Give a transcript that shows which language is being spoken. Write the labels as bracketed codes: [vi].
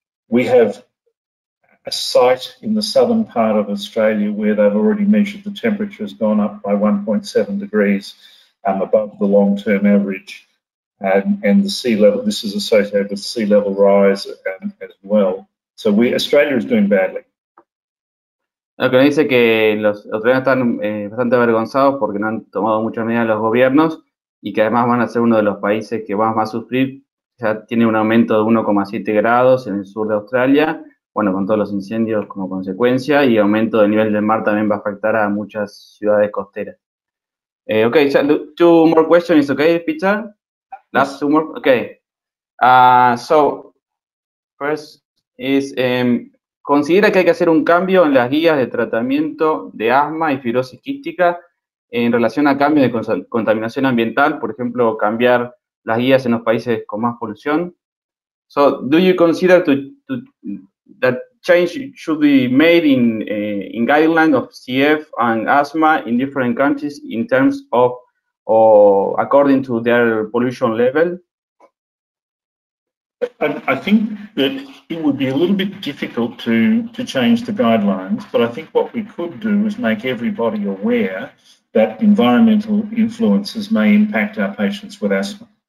[en] We have a site in the southern part of Australia where they've already measured the temperature has gone up by 1.7 degrees above the long-term average. And the sea level, this is associated with sea level rise as well. So Australia is doing badly. [es] Lo que nos dice que los australianos están bastante avergonzados porque no han tomado muchas medidas los gobiernos y que además van a ser uno de los países que más va a sufrir. Ya tiene un aumento de 1,7 grados en el sur de Australia, bueno, con todos los incendios como consecuencia, y aumento del nivel del mar también va a afectar a muchas ciudades costeras. [en] Okay, so two more questions, is okay, Peter? Last two more, okay. So, first is, [es] considera que hay que hacer un cambio en las guías de tratamiento de asma y fibrosis quística en relación a cambios de contaminación ambiental, por ejemplo, cambiar las guías en los países con más polución. [en] So, do you consider that change should be made in guidelines of CF and asthma in different countries in terms of or according to their pollution level? I think that it would be a little bit difficult to change the guidelines, but I think what we could do is make everybody aware that environmental influences may impact our patients with asthma.